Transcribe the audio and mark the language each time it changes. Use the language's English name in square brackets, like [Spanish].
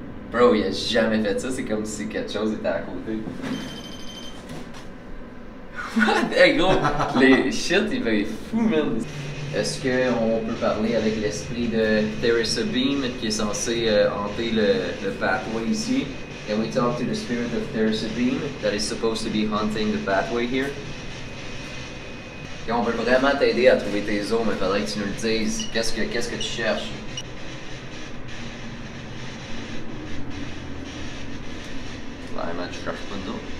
[French] Bro, il a jamais fait ça, c'est comme si quelque chose était à côté. What? Hey gros, les shit, il fait fou, man. Est-ce qu'on peut parler avec l'esprit de Teresa Beam qui est censé hanter le pathway ici? [English] Can we talk to the spirit of Teresa Beam that is supposed to be haunting the pathway here? [French] Et on veut vraiment t'aider à trouver tes os, mais faudrait que tu nous le dises. Qu'est-ce que tu cherches? Clairement, tu cherches pas d'eau.